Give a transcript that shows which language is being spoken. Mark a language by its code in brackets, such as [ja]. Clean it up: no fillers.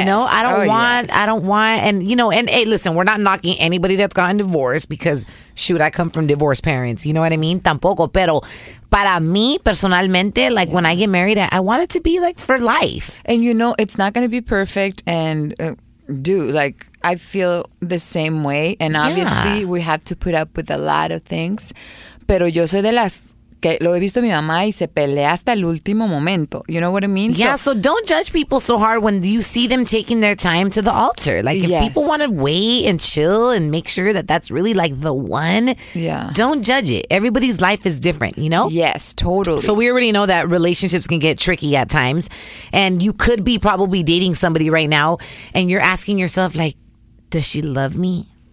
[en] You know, I don't want, and you know, and hey, listen, we're not knocking anybody that's gotten divorced because, shoot, I come from divorced parents. You know what I mean? [es] Tampoco. Pero para mí, personalmente, [en] like when I get married, I want it to be like for life. And you know, it's not going to be perfect. And I feel the same way. And obviously, we have to put up with a lot of things. [es] Pero yo soy de las que lo he visto mi mamá y se pelea hasta el último momento. [en] You know what I mean? Yeah, so don't judge people so hard when you see them taking their time to the altar. Like, if people want to wait and chill and make sure that that's really, like, the one, don't judge it. Everybody's life is different, you know? Yes, totally. So we already know that relationships can get tricky at times. And you could be probably dating somebody right now and you're asking yourself, like, does she love me?